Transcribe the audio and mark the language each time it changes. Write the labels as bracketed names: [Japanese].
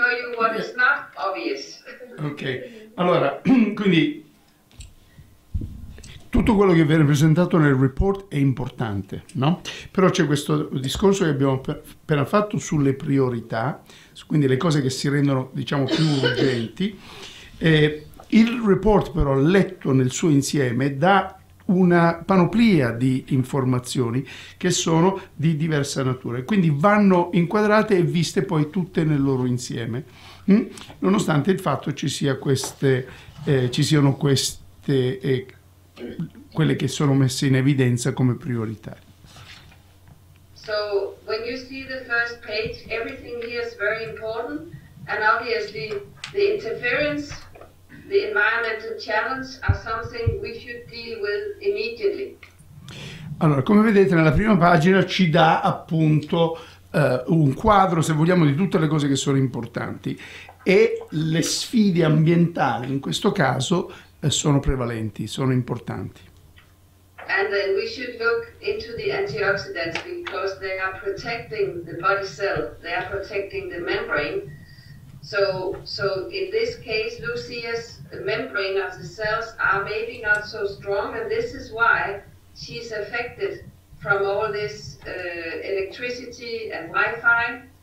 [English] I want to show you what is not obvious. [Italian] Ok, allora, quindi tutto quello che viene presentato nel report è importante, no? Però c'è questo discorso che abbiamo appena fatto sulle priorità, quindi le cose che si rendono, diciamo, più urgenti. Il report, però, letto nel suo insieme, dà una panoplia di informazioni che sono di diversa natura e quindi vanno inquadrate e viste poi tutte nel loro insieme, nonostante il fatto ci sia quelle che sono messe in evidenza come prioritarie. [English] So when you see the first page, everything here is very important, and obviously the interference, the environmental challenge are something we should deal with immediately. [Italian] Allora, come vedete, nella prima pagina ci dà appunto un quadro, se vogliamo, di tutte le cose che sono importanti, e le sfide ambientali in questo caso sono prevalenti, sono importanti. [English] And then we should look into the antioxidants, because they are protecting the body cell, they are protecting the membrane. So in this case, Lucia's membrane of the cells are maybe not so strong, and this is why she's affected from all this electricity and Wi-Fi.